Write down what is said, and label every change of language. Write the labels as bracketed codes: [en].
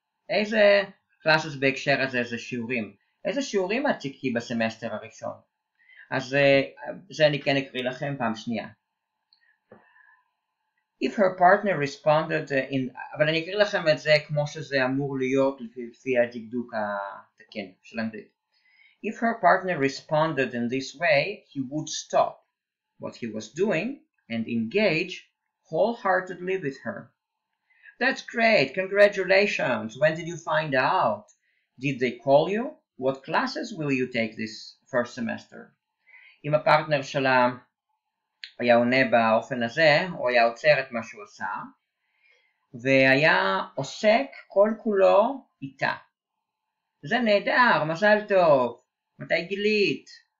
[he] איזה classes בהקשר הזה זה שיעורים? איזה שיעורים את תיקחי בסמסטר הראשון? אז זה אני כן אקריא לכם פעם שנייה. [en] If her partner responded in... [he] אבל אני אקריא לכם את זה כמו שזה אמור להיות לפי הדקדוק התקן של אנגלית. [en] If her partner responded in this way, he would stop what he was doing and engage wholeheartedly with her. That's great, congratulations. When did you find out? Did they call you? What classes will you take this first semester? [he] אם הפרטנר שלה היה עונה באופן הזה, הוא היה עוצר את מה שהוא עשה, והיה עוסק כל כולו איתה. זה נהדר, מזל טוב. מתי גילית?